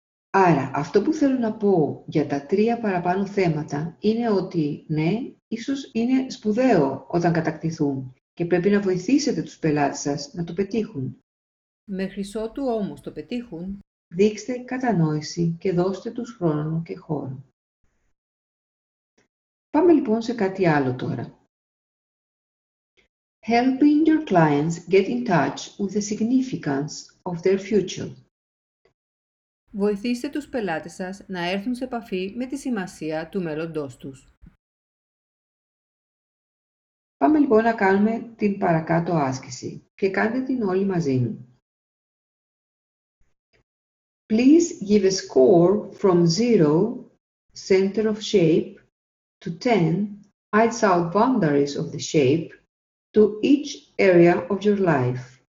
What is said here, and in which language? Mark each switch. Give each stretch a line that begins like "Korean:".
Greek: Άρα, αυτό που θέλω να πω για τα τρία παραπάνω θέματα είναι ότι ναι, ίσως είναι σπουδαίο όταν κατακτηθούν και πρέπει να βοηθήσετε τους πελάτες σας να το πετύχουν. Μέχρι ότου όμως το πετύχουν, δείξτε κατανόηση και δώστε τους χρόνο και χώρο. Πάμε λοιπόν σε κάτι άλλο τώρα.
English: Helping your clients get in touch with the significance of their future.
Greek: Βοηθήστε τους πελάτες σας να έρθουν σε επαφή με τη σημασία του μέλλοντός τους. Πάμε λοιπόν να κάνουμε την παρακάτω άσκηση και κάντε την όλη μαζί μου.
English: Please give a score from 0, center of shape, to 10, outside boundaries of the shape, to each area of your life.